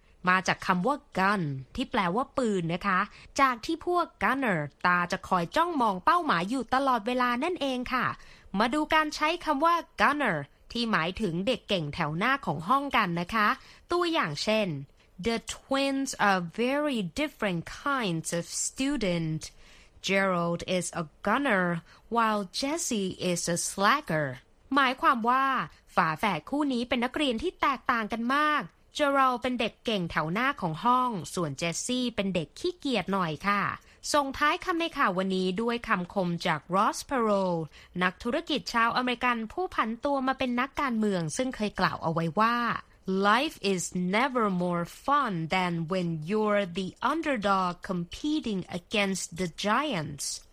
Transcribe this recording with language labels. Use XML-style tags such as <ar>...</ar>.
<th>มาจากคำว่า gun ที่แปลว่าปืนนะคะจากที่พวก gunner ตาจะคอยจ้องมองเป้าหมายอยู่ตลอดเวลานั่นเองค่ะมาดูการใช้คำว่า gunner ที่หมายถึงเด็กเก่งแถวหน้าของห้องกันนะคะตัวอย่างเช่น</th> <en>The twins are very different kinds of student. Gerald is a gunner, while Jesse is a slacker.</en> <th>หมายความว่าฝาแฝดคู่นี้เป็นนักเรียนที่แตกต่างกันมาก Gerald เป็นเด็กเก่งแถวหน้าของห้องส่วน Jesse เป็นเด็กขี้เกียจหน่อยค่ะส่งท้ายคำในข่าววันนี้ด้วยคำคมจาก Ross Perot นักธุรกิจชาวอเมริกันผู้ผันตัวมาเป็นนักการเมืองซึ่งเคยกล่าวเอาไว้ว่า</th> <en>Life is never more fun than when you're the underdog competing against the giants.</en>